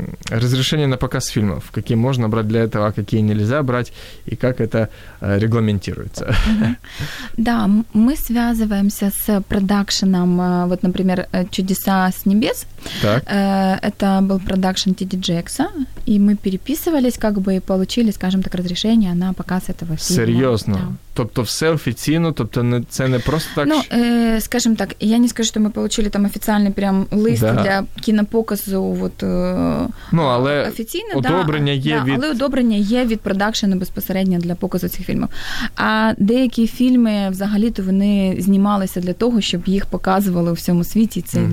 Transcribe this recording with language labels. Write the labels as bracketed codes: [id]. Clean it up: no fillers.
[uk] Розрішення на показ фільмів. Які можна брати для цього, які не можна брати, і як це регламентується. Да, ми зв'язуємося з продакшеном, от, наприклад, «Чудеса с небес». Так. [ru] Это был продакшн Тедди Джекса, и мы переписывались, как бы, и получили, скажем так, разрешение на показ этого фильма. Серьезно? Да. [uk] Тобто все офіційно, тобто не, це не просто так? [ru] Ну, скажем так, [uk] я не скажу, що ми отримали там офіційний прям лист, да, для кінопоказу, вот, ну, але офіційно, одобрення, да, є, да, від... Але одобрення є від продакшену безпосередньо для показу цих фільмів. А деякі фільми взагалі-то вони знімалися для того, щоб їх показували у всьому світі, цей угу.